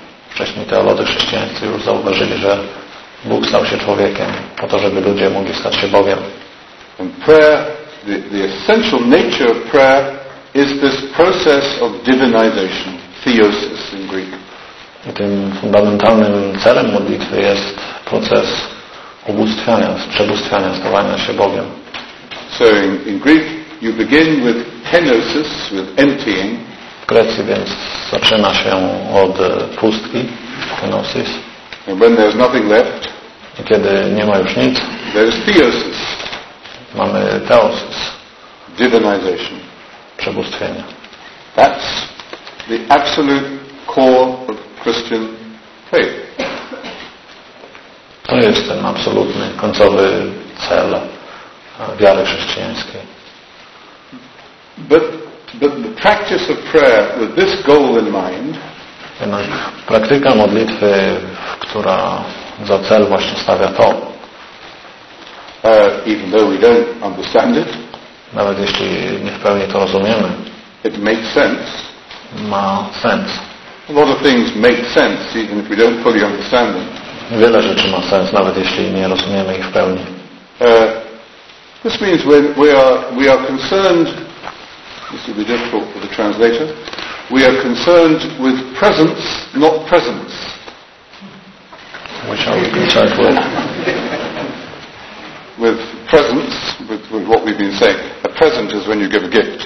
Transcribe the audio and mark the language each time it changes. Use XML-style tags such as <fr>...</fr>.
<pl>Wcześniej teolodzy chrześcijańscy już zauważyli, że Bóg stał się człowiekiem po to, żeby ludzie mogli stać się Bogiem.</pl> <en>And prayer, the essential nature of prayer is this process of divinization, theosis in Greek.</en> <pl>I tym fundamentalnym celem modlitwy jest proces ubóstwiania, przebóstwiania, stawania się Bogiem.</pl> <en>So in Greek you begin with kenosis, with emptying.</en> <pl>W Grecji więc zaczyna się od pustki, kenosis.</pl> <en>And when there's nothing left,</en> <pl>i kiedy nie ma już nic,</pl> <en>there's theosis.</en> <pl>Mamy theosis.</pl> <en>Divinization.</en> <pl>Przebóstwienie.</pl> <en>That's the absolute core of Christian faith.</en> <pl>To jest ten absolutny, końcowy cel wiary chrześcijańskiej.</pl> <en>But the practice of prayer with this goal in mind,</en> <pl>jednak praktyka modlitwy, która za cel właśnie stawia to,</pl> <en>even though we don't understand it,</en> <pl>nawet jeśli nie w pełni to rozumiemy,</pl> <en>it makes sense.</en> <pl>Ma sens.</pl> <en>A lot of things make sense, even if we don't fully understand them.</en> <pl>Wiele rzeczy ma sens, nawet jeśli nie rozumiemy ich w pełni.</pl> <en>This means when we are concerned, this will be difficult for the translator. We are concerned with presence, not presence. Which I would concerned with. With presence, with what we've been saying. A present is when you give a gift.</en>